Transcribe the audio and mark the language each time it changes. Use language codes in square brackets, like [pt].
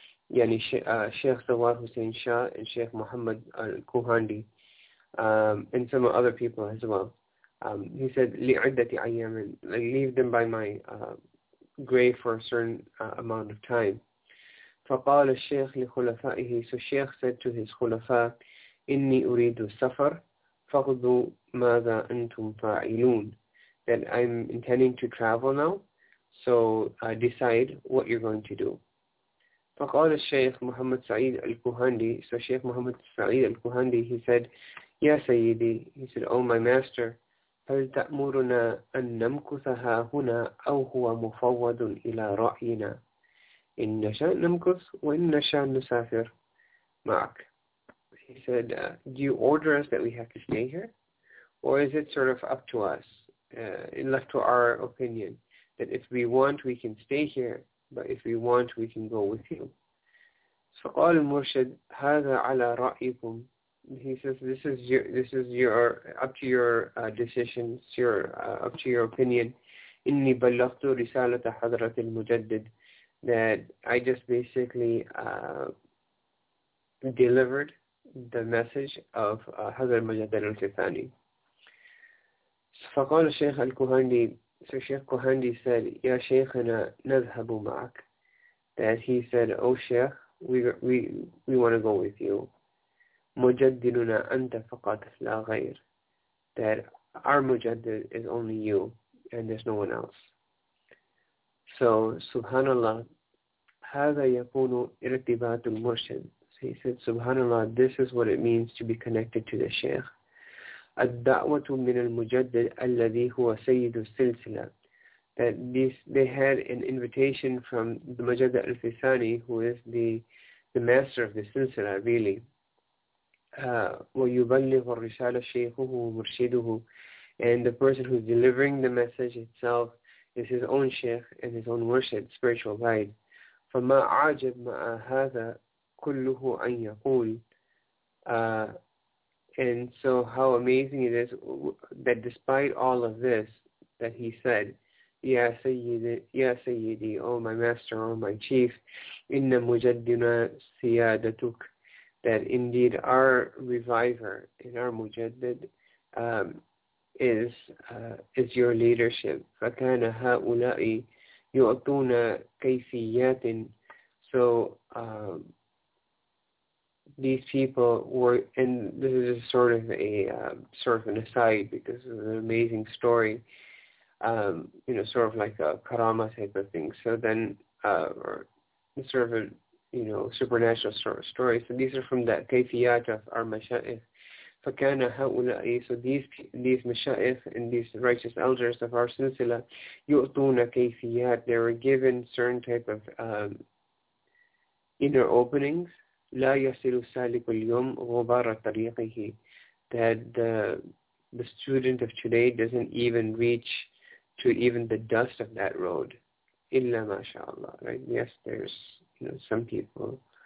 [en] يعني Sheikh Zawar Hussein Shah and Sheikh Muhammad al-Kuhandi and some other people as well. He said [ar] لعدة أيام, [en] like leave them by my grave for a certain amount of time. [ar] فقال الشيخ لخلفائه. [en] So Sheikh said to his [ar] خلفاء, إني أريد السفر, فخذوا ماذا أنتم فاعلون. [en] That I'm intending to travel now, so decide what you're going to do. [ar] فقال الشيخ محمد سعيد الكوهندي. [en] So Sheikh Muhammad Sa'id al-Kuhandi, he said, [ar] يا سيدي. [en] He said, oh my master, [ar] هل تأمرنا أن نمكث ها هنا أو هو مفوض إلى رأينا؟ إن نشاء نمكث وإن نشاء نسافر معك. [en] He said, do you order us that we have to stay here? Or is it sort of up to us, left to our opinion, that if we want, we can stay here, but if we want, we can go with you. [ar] فقال المرشد, هذا على رأيكم. [en] He says, this is your up to your decisions, up to your opinion. [ar] إني بلغت رسالة حضرة المجدد. [en] That I just basically delivered the message of Hazrat Mujaddad al-Fithani. [ar] فقال الشيخ الكوهندي. [en] So Sheikh Kuhandi said, [ar] يا شيخنا نذهب معك. [en] That he said, oh Sheikh, we want to go with you. [ar] مجددنا أنت فقط لا غير. [en] That our Mujaddad is only you and there's no one else. [ar] So subhanAllah, هذا يكون ارتباط المرشد. [en] So he said, subhanAllah, this is what it means to be connected to the Shaykh. [ar] الدعوة من المجدد الذي هو سيد السلسلة. [en] That they had an invitation from the Mujaddad al-Fithani, who is the master of the silsila, really. [ar] ويبلغ الرسالة شيخه ومرشده. [en] And the person who is delivering the message itself is his own Shaykh and his own murshid, spiritual guide. [ar] فما عاجب مع هذا كله أن يقول. [en] And so how amazing it is that despite all of this that he said, [ar] يا سيدي, [en] oh my master, oh my chief, [ar] إن مجدنا سيادتك. [en] That indeed our reviver and our مجدد is your leadership. [ar] فكان هؤلاء يؤتون كيفيات. [en] So these people were, and this is just sort of a sort of an aside because it's an amazing story, you know, sort of like a karama type of thing. So then, or sort of a, you know, supernatural sort of story. So these are from that kayfiyat of our mashayikh. [ar] فَكَانَ هَؤُلَاءِ. [en] So these mashayikh and these righteous elders of our silsila, [ar] يُؤْتُونَ كَيْفِيَات. [en] They were given certain type of inner openings. [ar] لا يصل سالك اليوم غبار طريقه. [en] That the student of today doesn't even reach to even the dust of that road. [ar] إلا ما شاء الله. [en] Right? Yes, there's, you know, some people.